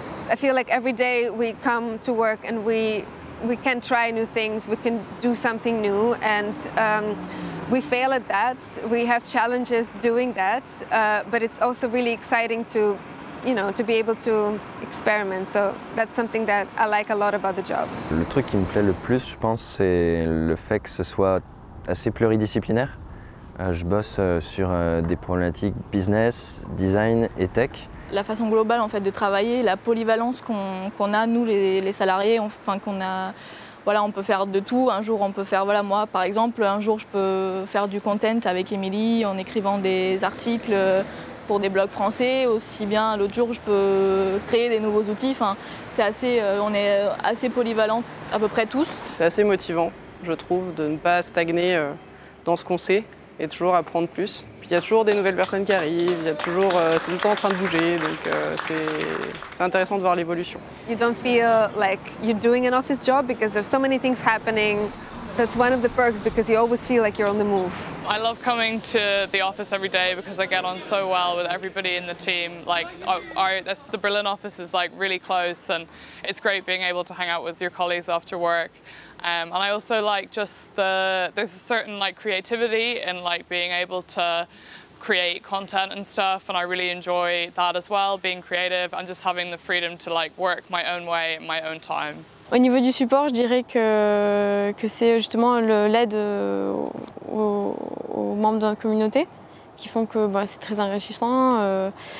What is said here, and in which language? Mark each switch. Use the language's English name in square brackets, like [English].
[English] I feel like every day we come to work and we can try new things, we can do something new, and we fail at that. We have challenges doing that, but it's also really exciting to, you know, to be able to experiment. So that's something that I like a lot about the job. [French] Le truc qui me plaît le plus, je pense, c'est le fait que ce soit assez pluridisciplinaire. Je bosse sur des problématiques business, design et tech. La façon globale, en fait, de travailler, la polyvalence qu'on a nous les salariés, enfin qu'on a. Voilà, on peut faire de tout. Un jour, on peut faire, voilà, moi, par exemple, un jour, je peux faire du content avec Émilie en écrivant des articles pour des blogs français. Aussi bien, l'autre jour, je peux créer des nouveaux outils. Enfin, c'est assez, on est assez polyvalents, à peu près tous. C'est assez motivant, je trouve, de ne pas stagner dans ce qu'on sait et toujours apprendre plus. Puis il y a toujours des nouvelles personnes qui arrivent, c'est tout le temps en train de bouger, donc c'est intéressant de voir l'évolution. [English] You don't feel like you're doing an office job because there's so many things happening. That's one of the perks because you always feel like you're on the move. I love coming to the office every day because I get on so well with everybody in the team. Like the Berlin office is like really close, and it's great being able to hang out with your colleagues after work. And I also like just there's a certain like creativity in like being able to create content and stuff, and I really enjoy that as well, being creative and just having the freedom to like work my own way, my own time. [French] Au niveau du support, je dirais que c'est justement l'aide aux membres de notre communauté qui font que bah, c'est très enrichissant.